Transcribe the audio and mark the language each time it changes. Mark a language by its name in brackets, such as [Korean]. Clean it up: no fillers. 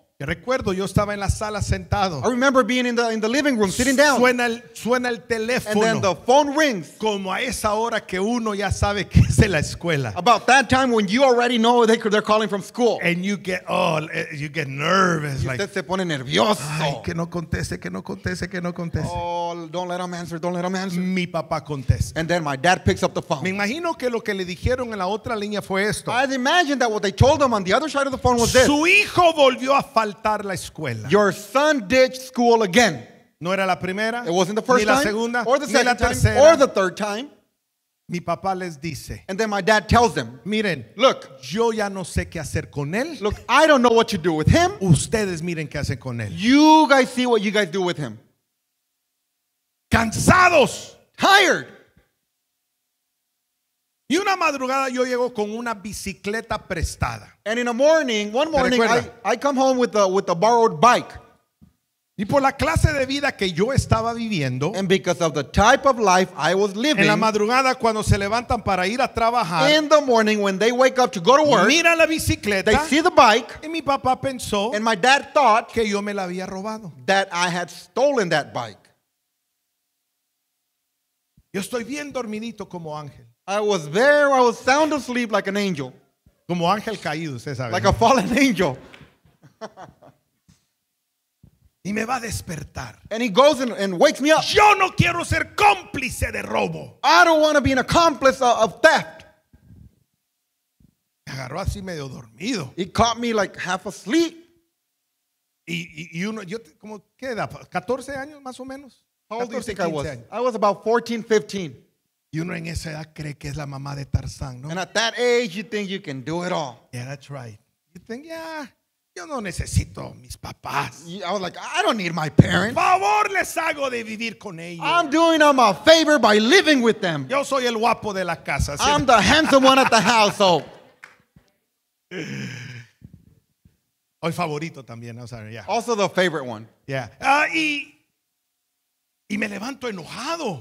[Spanish] Que recuerdo, yo estaba en la sala sentado. [English] I remember being in the living room, sitting down. [Spanish] Suena el teléfono. [English] And then the phone rings. [Spanish] Como a esa hora que uno ya sabe que es de la escuela. [English] About that time when you already know they're calling from school. And you get nervous. [Spanish] Y [English] like, [Spanish] usted se pone nervioso. Ay, que no conteste. [English] Oh, don't let him answer. [Spanish] Mi papá contesta. [English] And then my dad picks up the phone. [Spanish] Me imagino que lo que le dijeron en la otra línea fue esto. [English] I'd imagine that what they told him on the other side of the phone was this. [Spanish] Su hijo volvió a faltar la escuela. [English] Your son ditched school again. [Spanish] No era la primera. [English] It wasn't the first [Spanish] ni la [English] time, [Spanish] segunda. [English] Or the second [Spanish] ni la tercera. [English] Time, or the third time. [Spanish] Mi papá les dice. [English] And then my dad tells them. [Spanish] Miren. [English] Look. [Spanish] Yo ya no sé qué hacer con él. [English] Look, I don't know what to do with him. [Spanish] Ustedes miren qué hacen con él. [English] You guys see what you guys do with him. [Spanish] Cansados. [English] Tired. [Spanish] Y una madrugada yo llego con una bicicleta prestada. [English] And in a morning, one morning, I come home with a borrowed bike. [Spanish] Y por la clase de vida que yo estaba viviendo. [English] And because of the type of life I was living. [Spanish] En la madrugada cuando se levantan para ir a trabajar. [English] In the morning when they wake up to go to work. [Spanish] Miran la bicicleta. [English] They see the bike. [Spanish] Y mi papá pensó. [English] And my dad thought. [Spanish] Que yo me la había robado. [English] That I had stolen that bike. [Spanish] Yo estoy bien dormidito como ángel. [English] I was sound asleep like an angel. [Spanish] Como ángel caído, usted sabe. [English] Like a fallen angel. [Spanish] Y me va a despertar. [English] And he goes and wakes me up. [Spanish] Yo no quiero ser cómplice de robo. [English] I don't want to be an accomplice of theft. [Spanish] Me agarró así medio dormido. [English] He caught me like half asleep. [Spanish] Y uno, yo, ¿cómo qué edad? 14 años más o menos. [English] How old do you think I was? I was about 14, 15. [Spanish] Y uno en esa edad cree que es la mamá de Tarzán, ¿no? [English] And at that age, you think you can do it all. Yeah, that's right. You think, yeah, [Spanish] yo no necesito mis papás. [English] I was like, I don't need my parents. [Spanish] Por favor, les hago de vivir con ellos. [English] I'm doing them a favor by living with them. [Spanish] Yo soy el guapo de la casa. ¿Sí? [English] I'm the handsome one at the household. [Spanish] Hoy favorito también, [English] I'm sorry, yeah. Also the favorite one. Yeah. [Spanish] Y me levanto enojado.